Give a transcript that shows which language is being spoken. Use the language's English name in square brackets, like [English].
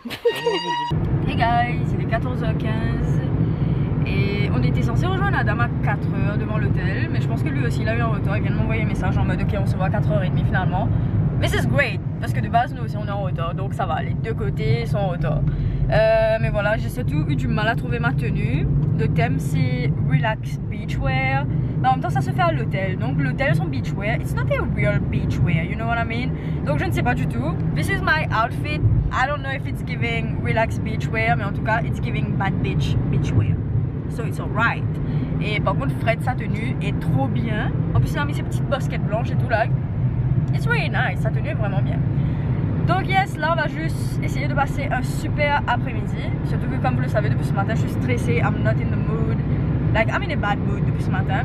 [French] Hey guys, il est 14h15 et on était censé rejoindre Adam à 4h devant l'hôtel, mais je pense que lui aussi il a eu un retard, il vient de m'envoyer un message en mode ok on se voit à 4h30 finalement. [English] This is great, [French] parce que de base nous aussi on est en retard, donc ça va, les deux côtés sont en retard. Mais voilà, j'ai surtout eu du mal à trouver ma tenue. Le thème c'est relax beachwear. Mais en même temps ça se fait à l'hôtel. Donc l'hôtel son beachwear, [English] it's not a real beachwear, you know what I mean. [French] Donc je ne sais pas du tout. [English] This is my outfit, I don't know if it's giving relax beachwear. [French] Mais en tout cas [English] it's giving bad bitch beachwear. So it's alright. [French] Et par contre Fred sa tenue est trop bien. En plus il a mis ses petites baskets blanches et tout là. [English] It's really nice, [French] sa tenue est vraiment bien. Donc yes, là on va juste essayer de passer un super après-midi. Surtout que comme vous le savez depuis ce matin, je suis stressée, [English] I'm not in the mood. Like I'm in a bad mood [French] depuis ce matin.